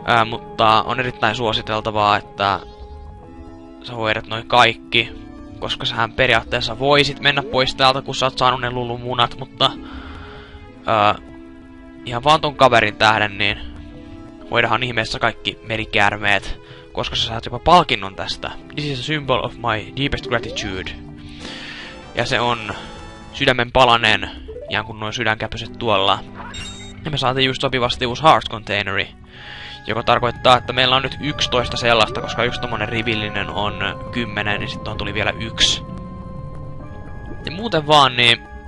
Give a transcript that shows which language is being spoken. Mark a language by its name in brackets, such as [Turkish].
[Finnish] Mutta on erittäin suositeltavaa, että sä hoidat noin kaikki. Koska sähän periaatteessa voisit mennä pois täältä, kun sä oot saanut ne lulumunat, mutta... ihan vaan ton kaverin tähden, niin hoidahan ihmeessä kaikki merikäärmeet. Koska sä saat jopa palkinnon tästä. [English] This is a symbol of my deepest gratitude. [Finnish] Ja se on sydämen palanen, ihan kun noin sydänkäpyset tuolla. Ja me saatiin just sopivasti uusi heart containeri. Joka tarkoittaa, että meillä on nyt 11 sellaista, koska yksi tommonen rivillinen on 10, niin sitten on tuli vielä yksi. Ja muuten vaan, niin...